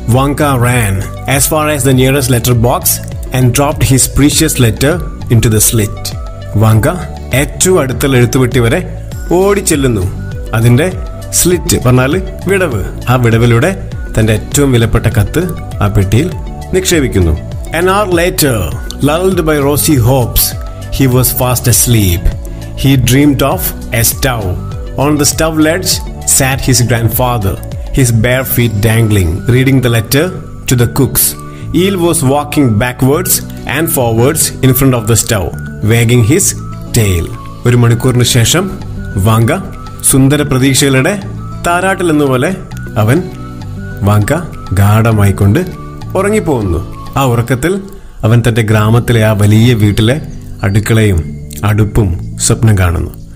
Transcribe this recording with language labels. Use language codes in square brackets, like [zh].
[en] Vanka ran as far as the nearest letter box and dropped his precious letter into the slit. [ml] Vanga ഏറ്റവും അടുത്തുള്ള എഴുത്ത് പെട്ടി വരെ ഓടിച്ചെല്ലുന്നു. അതിൻ്റെ സ്ലിറ്റ് പറഞ്ഞാൽ വിടവ്. ആ വിടവിലൂടെ തന്റെ ഏറ്റവും വിലപ്പെട്ട കത്ത് ആ പെട്ടിയിൽ നിക്ഷേപിക്കുന്നു. [en] An hour later, lulled by rosy hopes, he was fast asleep. He dreamed of a stove. On the stove ledge sat his grandfather, his bare feet dangling, reading the letter to the cooks. Eel was walking backwards and forwards in front of the stove, wagging his tail. [ml] ഒരു മണിക്കൂറിന് ശേഷം Vanga സുന്ദര പ്രതീക്ഷകളുടെ താരാട്ടിലെന്നപോലെ അവൻ Vanga ഗാഢമായിക്കൊണ്ട് ഉറങ്ങിപ്പോകുന്നു. ആ ഉറക്കത്തിൽ അവൻ തൻ്റെ ഗ്രാമത്തിലെ ആ വലിയ വീട്ടിലെ അടുക്കളയും അടുപ്പും സ്വപ്നം കാണുന്നു.